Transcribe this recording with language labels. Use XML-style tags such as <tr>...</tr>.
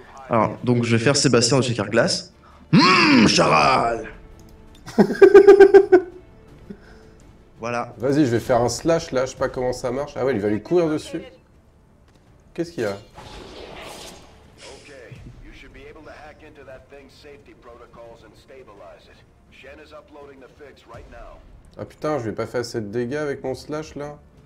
<fr>Alors, donc je vais faire Sébastien de chez Carglass. Charal. Voilà. Vas-y, je vais faire un slash là, je sais pas comment ça marche. Ah ouais, il va lui courir dessus. Qu'est-ce qu'il y a?</fr> <en>Okay, you should be able to hack into that thing's safety protocols and stabilize it. Shen is uploading the fix right now.</en> <fr>Ah putain, je vais pas faire assez de dégâts avec mon slash là.</fr>